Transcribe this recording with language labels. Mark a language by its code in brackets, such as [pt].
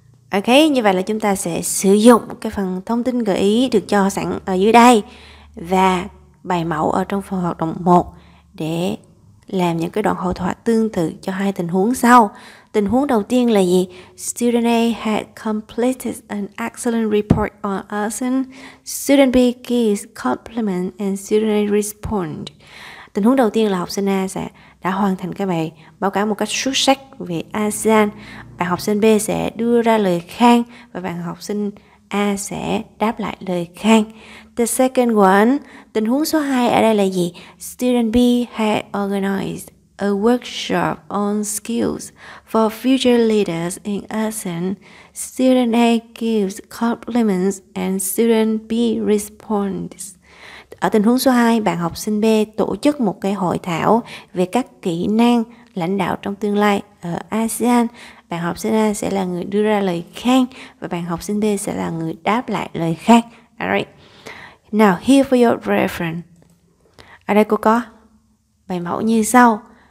[vi] Okay, như vậy là chúng ta sẽ sử dụng cái phần thông tin gợi ý được cho sẵn ở dưới đây và bài mẫu ở trong phần hoạt động 1 để làm những cái đoạn hội thoại tương tự cho hai tình huống sau. Tình huống đầu tiên là gì? [en] Student A had completed an excellent report on ASEAN. Student B gives compliment and student A respond. [vi] Tình huống đầu tiên là học sinh A sẽ đã hoàn thành cái bài báo cáo một cách xuất sắc về ASEAN. Bạn học sinh B sẽ đưa ra lời khen và bạn học sinh A sẽ đáp lại lời khen. [en] The second one, [vi] tình huống số 2 ở đây là gì? [en] Student B had organized a workshop on skills for future leaders in ASEAN. Student A gives compliments and student B responds. [vi] Ở tình huống số 2, bạn học sinh B tổ chức một cái hội thảo về các kỹ năng lãnh đạo trong tương lai ở ASEAN. Bạn học sinh A sẽ là người đưa ra lời khen và bạn học sinh B sẽ là người đáp lại lời khen. Alright. [en] Now, here for your reference. [vi] Ở đây cô có bài mẫu như sau.